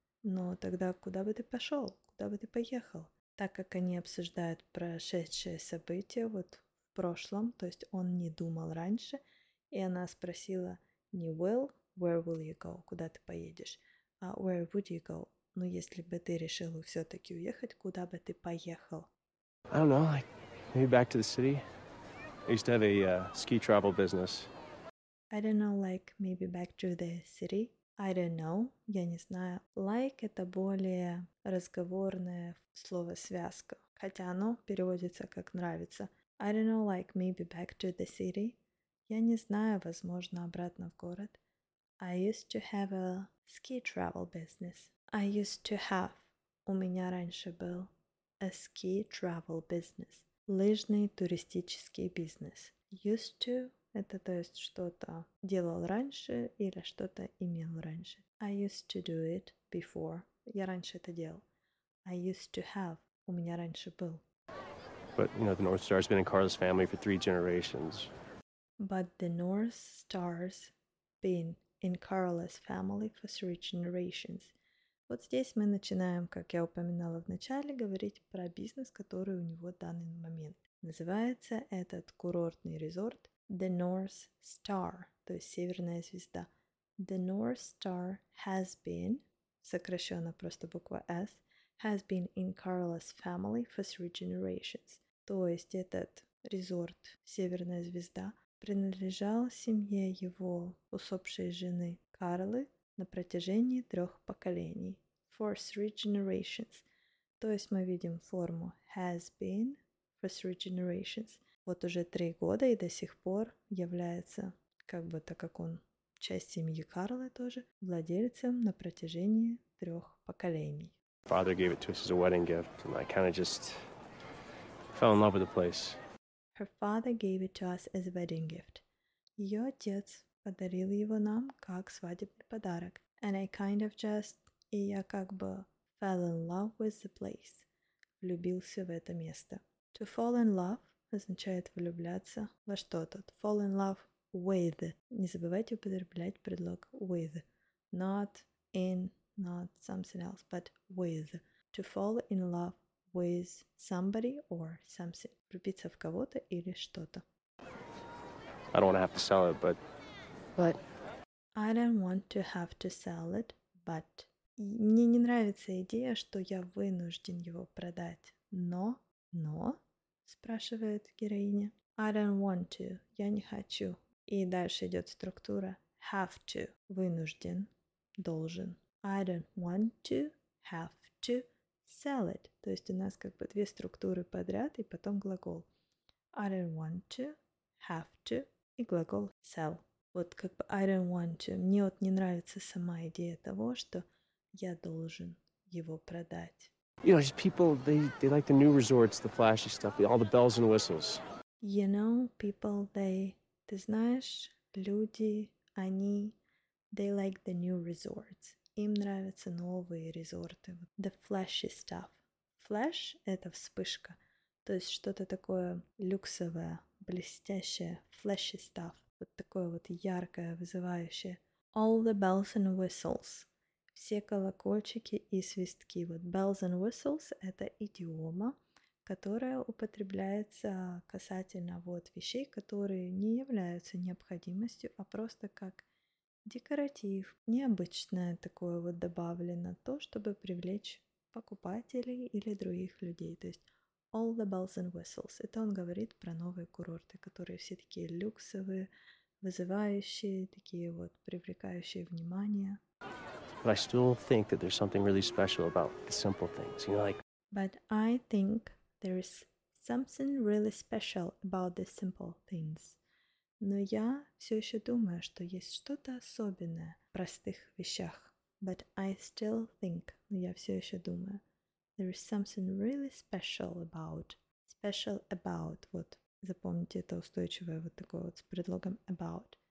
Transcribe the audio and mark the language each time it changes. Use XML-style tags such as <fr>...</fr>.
<ru>Но тогда куда бы ты пошел? Куда бы ты поехал? Так как они обсуждают прошедшее событие, вот в прошлом, то есть он не думал раньше, и она спросила не will,</ru> <en>where will you go,</en> <ru>куда ты поедешь, а</ru> <en>where would you go,</en> <ru>ну если бы ты решил все-таки уехать, куда бы ты поехал?</ru> <en>I don't know, like maybe back to the city. I used to have a ski travel business. I don't know, like maybe back to the city. I don't know,</en> <ru>я не знаю.</ru> <en>Like —</en> <ru>это более разговорное слово-связка, хотя оно переводится как нравится.</ru> <en>I don't know, like, maybe back to the city.</en> <ru>Я не знаю, возможно, обратно в город.</ru> <en>I used to have a ski travel business. I used to have.</en> <ru>У меня раньше был</ru> <en>a ski travel business.</en> <ru>Лыжный туристический бизнес.</ru> <en>Used to.</en> <ru>Это то есть что-то делал раньше или что-то имел раньше.</ru> <en>I used to do it before.</en> <ru>Я раньше это делал.</ru> <en>I used to have.</en> <ru>У меня раньше был.</ru> <en>But, you know, the North Star's been in Carla's family for 3 generations. But the North Star's been in Carla's family for 3 generations.</en> <ru>Вот здесь мы начинаем, как я упоминала в начале, говорить про бизнес, который у него в данный момент. Называется этот курортный резорт The North Star, то есть Северная звезда.</ru> <en>The North Star has been,</en> <ru>сокращенно просто буква S,</ru> <en>has been in Carla's family for 3 generations.</en> <ru>То есть этот резорт Северная звезда принадлежал семье его усопшей жены Карлы на протяжении 3 поколений.</ru> <en>For 3 generations.</en> <ru>То есть мы видим форму</ru> <en>has been for 3 generations.</en> <ru>Вот уже 3 года и до сих пор является, как бы так как он часть семьи Карлы тоже, владельцем на протяжении 3 поколений.</ru> <en>Father gave it to us as a wedding gift, and I kind of just fell in love with the place. Her father gave it to us as a wedding gift.</en> <ru>Её отец подарил его нам как свадебный подарок.</ru> <en>And I kind of just,</en> <ru>и я как бы</ru> <en>fell in love with the place.</en> <ru>Влюбился в это место.</ru> <en>To fall in love</en> <ru>означает влюбляться во что-то.</ru> <en>To fall in love with.</en> <ru>Не забывайте употреблять предлог with.</ru> <en>Not in. Not something else, but with. To fall in love with somebody or something.</en> <ru>Влюбиться в кого-то или что-то.</ru> <en>I don't want to have to sell it, but... But... I don't want to have to sell it, but...</en> <ru>Мне не нравится идея, что я вынужден его продать. Но... Спрашивает героиня.</ru> <en>I don't want to.</en> <ru>Я не хочу. И дальше идет структура.</ru> <en>Have to.</en> <ru>Вынужден. Должен.</ru> <en>I don't want to have to sell it.</en> <ru>То есть у нас как бы 2 структуры подряд и потом глагол.</ru> <en>I don't want to have to</en> <ru>и глагол</ru> <en>sell.</en> <ru>Вот как бы</ru> <en>I don't want to.</en> <ru>Мне вот не нравится сама идея того, что я должен его продать.</ru> <en>You know, just people, they like the new resorts, the flashy stuff, all the bells and whistles. You know, people, they...</en> <ru>Ты знаешь, люди, они...</ru> <en>They like the new resorts.</en> <ru>Им нравятся новые резорты.</ru> <en>The flashy stuff. Flash –</en> <ru>это вспышка. То есть что-то такое люксовое, блестящее.</ru> <en>Flashy stuff.</en> <ru>Вот такое вот яркое, вызывающее.</ru> <en>All the bells and whistles.</en> <ru>Все колокольчики и свистки. Вот</ru> <en>bells and whistles</en> <ru>– это идиома, которая употребляется касательно вот вещей, которые не являются необходимостью, а просто как... Декоратив. Необычное такое вот добавлено то, чтобы привлечь покупателей или других людей. То есть</ru> <en>all the bells and whistles.</en> <ru>Это он говорит про новые курорты, которые все такие люксовые, вызывающие, такие вот привлекающие внимание.</ru> <en>But I still think that there's something really special about the simple things, you know, like... But I think there's something really special about the simple things.</en> <ru>Но я все еще думаю, что есть что-то особенное в простых вещах.</ru> <en>But I still think,</en> <ru>но я все еще думаю,</ru> <en>there is something really special about. Special about,</en> <ru>вот, запомните это устойчивое вот такое вот с предлогом about.</ru>